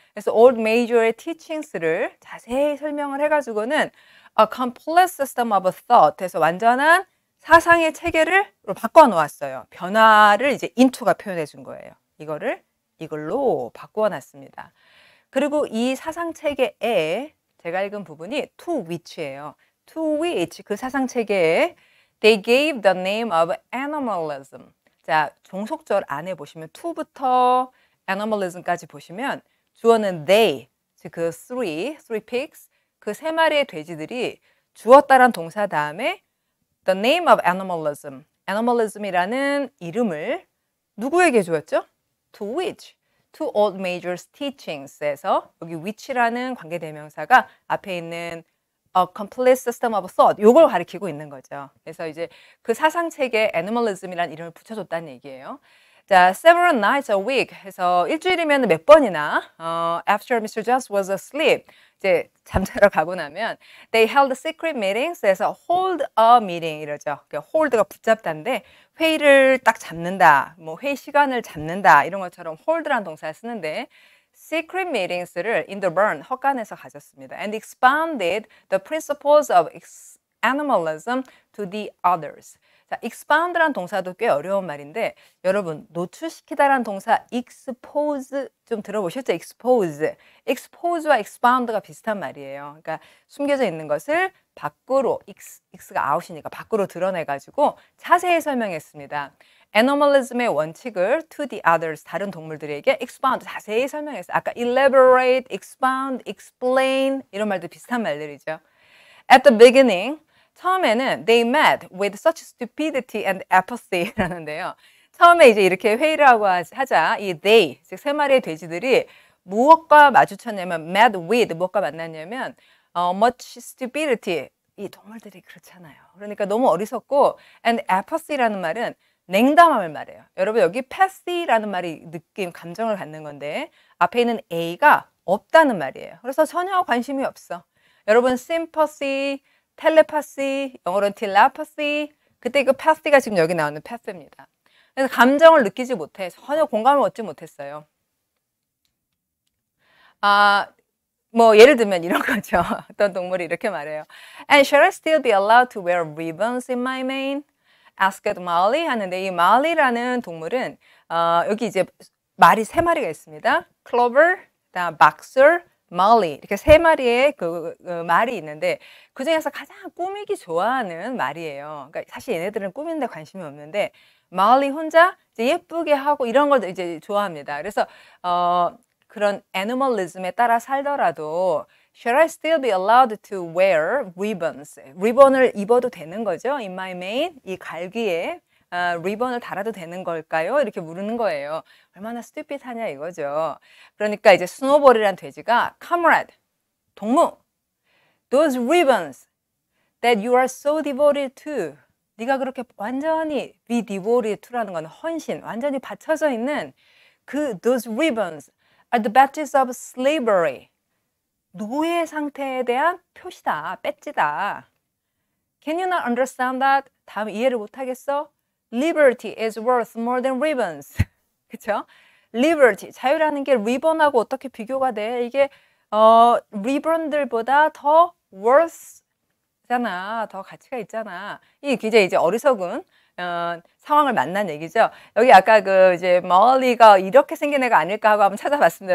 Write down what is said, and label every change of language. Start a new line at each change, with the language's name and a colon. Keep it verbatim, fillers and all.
Korean: 그래서 Old Major의 teachings를 자세히 설명을 해가지고는
English: a complex system of thought
Korean: 에서 완전한 사상의 체계를 바꿔놓았어요. 변화를 이제 into가 표현해 준 거예요. 이거를 이걸로 바꾸어 놨습니다. 그리고 이 사상 체계에 제가 읽은 부분이 to which예요.
English: to which
Korean: 그 사상 체계에
English: they gave the name of animalism.
Korean: 자, 종속절 안에 보시면 to부터 animalism까지 보시면 주어는 they, 즉 그 three, three pigs, 그 세 마리의 돼지들이 주었다란 동사 다음에 the name of animalism, animalism이라는 이름을 누구에게 주었죠?
English: To which, to old major's teachings에서 여기 which라는 관계대명사가 앞에 있는 a complete system of thought,
Korean: 요걸 가리키고 있는 거죠. 그래서 이제 그 사상책에 animalism이라는 이름을 붙여줬다는 얘기예요.
English: 자, several nights a week 해서 일주일이면 몇 번이나 어, after 미스터 Jones was asleep,
Korean: 이제 잠자러 가고 나면
English: they held secret meetings 해서 hold a meeting 이러죠.
Korean: 그러니까 hold가 붙잡다인데 회의를 딱 잡는다, 뭐 회의 시간을 잡는다 이런 것처럼 hold라는 동사를 쓰는데 secret meetings를 인더번 헛간에서 가졌습니다.
English: And expounded the principles of animalism to the others.
Korean: 자, expound라는 동사도 꽤 어려운 말인데 여러분 노출시키다라는 동사 expose 좀 들어보셨죠? expose. expose와 expound가 비슷한 말이에요. 그러니까 숨겨져 있는 것을 밖으로 ex, ex가 out이니까 밖으로 드러내가지고 자세히 설명했습니다. animalism의 원칙을
English: to the others
Korean: 다른 동물들에게 expound 자세히 설명했어요. 아까 elaborate, expound, explain 이런 말도 비슷한 말들이죠.
English: At the beginning
Korean: 처음에는
English: they met with such stupidity and apathy 라는데요.
Korean: 처음에 이제 이렇게 회의를 하고 하자 이 they 즉 세 마리의 돼지들이 무엇과 마주쳤냐면 met with 무엇과 만났냐면 어, much stupidity 이 동물들이 그렇잖아요. 그러니까 너무 어리석고 and apathy라는 말은 냉담함을 말해요. 여러분 여기 pathy라는 말이 느낌 감정을 갖는 건데 앞에 있는 a가 없다는 말이에요. 그래서 전혀 관심이 없어. 여러분 sympathy 텔레파시, 영어로는 텔레파시, 그때 그 파시가 지금 여기 나오는 파시입니다. 그래서 감정을 느끼지 못해, 전혀 공감을 얻지 못했어요. 아, 뭐 예를 들면 이런 거죠. 어떤 동물이 이렇게 말해요.
English: And should I still be allowed to wear ribbons in my mane?
Korean: Asked Molly 하는데 이 Molly라는 동물은 어, 여기 이제 말이 세 마리가 있습니다. Clover, 그다음 Boxer, Molly 이렇게 세 마리의 그, 그 말이 있는데 그 중에서 가장 꾸미기 좋아하는 말이에요. 그러니까 사실 얘네들은 꾸미는데 관심이 없는데 Molly 혼자 이제 예쁘게 하고 이런 걸 이제 좋아합니다.
English: 그래서 어,
Korean: 그런 애니멀리즘에 따라 살더라도
English: Should I still be allowed to wear ribbons?
Korean: 리본을 입어도 되는 거죠. In my mane 이 갈기에 아, 리본을 달아도 되는 걸까요? 이렇게 물는 거예요. 얼마나 stupid하냐 이거죠. 그러니까 이제 스노볼이란 돼지가 comrade, 동무,
English: those ribbons that you are so devoted to
Korean: 네가 그렇게 완전히 be devoted to라는 건 헌신, 완전히 바쳐져 있는 그
English: those ribbons are the badges of slavery
Korean: 노예 상태에 대한 표시다, 배지다.
English: Can you not understand that?
Korean: 다음 이해를 못하겠어?
English: Liberty is worth more than ribbons.
Korean: 그쵸? Liberty, 자유라는 게 리본하고 어떻게 비교가 돼? 이게 어, 리본들보다 더 worth잖아. 더 가치가 있잖아. 이 굉장히 이제 어리석은 어, 상황을 만난 얘기죠. 여기 아까 그 이제 멀리가 이렇게 생긴 애가 아닐까 하고 한번 찾아봤습니다.